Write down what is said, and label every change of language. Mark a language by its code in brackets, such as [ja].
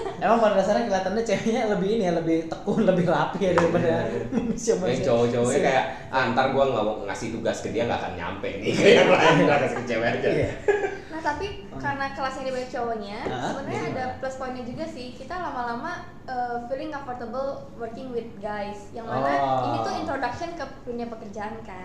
[id] Emang pada dasarnya kelihatannya ceweknya lebih ini ya, lebih tekun, lebih rapi ya daripada siapa sih. Cowok-cowoknya kayak, ntar gue gak mau ngasih tugas ke dia gak akan nyampe nih. Kayak lain gak kasih ke cewek aja. Tapi karena kelas ini banyak cowoknya, sebenarnya ada plus poinnya juga sih. Kita lama-lama [en] feeling comfortable working with guys. [id] Yang mana ini tuh introduction ke dunia pekerjaan kan.